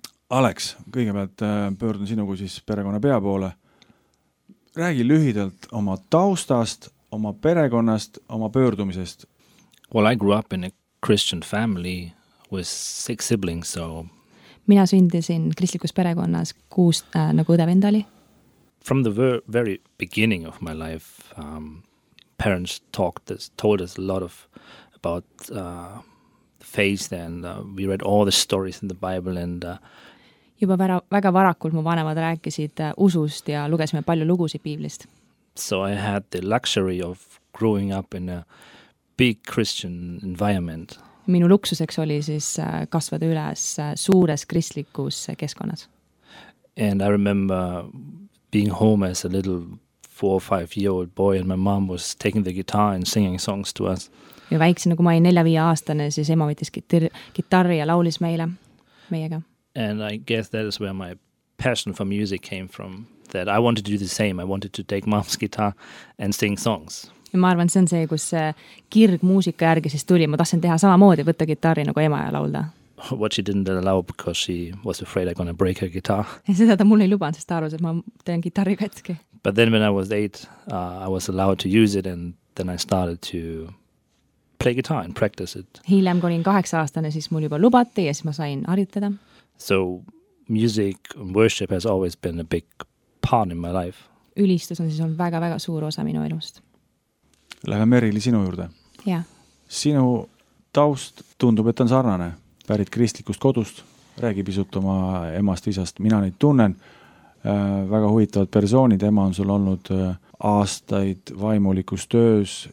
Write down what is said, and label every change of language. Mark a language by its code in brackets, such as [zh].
[et] Aleks, kõigepealt pöördun sinugu siis perekonna peapoole. Räägi lühidalt oma taustast, oma perekonnast, oma pöördumisest. [en] Well, I grew up in a Christian family with 6 siblings, so... [et] Mina sündisin kristlikus perekonnas 6 nagu õdevend oli. [en] From the very beginning of my life, parents told us a lot of about... Faith and we read all the stories in the Bible and [et] juba väga varakult mu vanemad rääkisid usust ja lugesime palju lugusid piiblist. [en] So I had the luxury of growing up in a big Christian environment. [et] Minu luksuseks oli siis kasvada üles suures kristlikus keskkonnas. [en] And I remember being home as a little 4 or 5 year old boy and my mom was taking the guitar and singing songs to us. [et] Ja väiksin, kui ma olin 4-5-aastane, siis ema võttis kitarri ja laulis meile, meiega. [en] And I guess that is where my passion for music came from, that I wanted to do the same. I wanted to take mom's guitar and sing songs. [et] Ja ma arvan, see on see, kus kirg muusika järgi siis tuli. Ma tahtsin teha samamoodi, võtta kitarri nagu ema ja laulda. [en] What she didn't allow because she was afraid I'm gonna break her guitar. [et] Ja seda ta mulle ei luban, sest ta arvas, et ma teen kitarri katki. [en] But then when I was 8, I was allowed to use it and then I started to... play guitar and practice it. [et] Hiljem, kui olin 8-aastane, siis mul juba lubati ja siis ma sain harjutada. [en] So music and worship has always been a big part in my life. [et] Ülistus on siis on väga suur osa minu elust. Läheme Merili sinu juurde. Jah. [en] Yeah. [et] Sinu taust tundub, et on sarnane. Pärit kristlikust kodust, räägi pisut oma emast isast. Mina neid tunnen. Väga huvitavad persoonid, ema on sul olnud aastaid vaimulikus töös.